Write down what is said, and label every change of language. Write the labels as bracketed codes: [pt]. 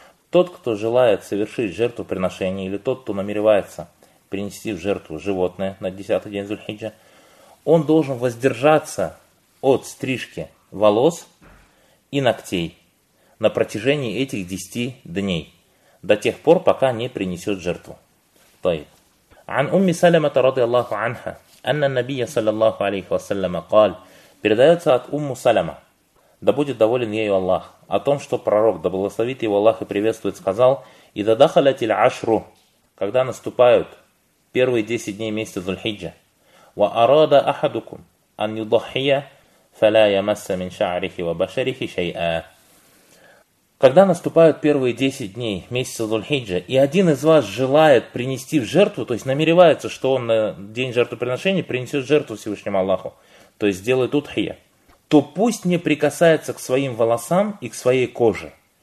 [ru] Тот, кто желает совершить жертвоприношение, или тот, кто намеревается принести в жертву животное на 10-й день Зульхиджа, он должен воздержаться от стрижки волос и ногтей на протяжении этих 10 дней, до тех пор, пока не принесет жертву. [ar] عن أم سلمة رضي الله عنها أن النبي صلى الله عليه وسلم قال [ru] передается от [ar] أم سلمة [ru] да будет доволен ею Аллах о том, что пророк, да благословит его Аллах и приветствует, сказал [ar] إذا دخلت العشر [ru] когда наступают первые 10 дней месяца Зульхиджа [ar] وأراد أحدكم أن يضحي فلا يمس من شعره وبشره شيئا. [ru] Когда наступают первые 10 дней месяца Зульхиджа, и один из вас желает принести в жертву, то есть намеревается, что он на день жертвоприношения принесет жертву Всевышнему Аллаху, то есть сделает утхия, то пусть не прикасается к своим волосам и к своей коже.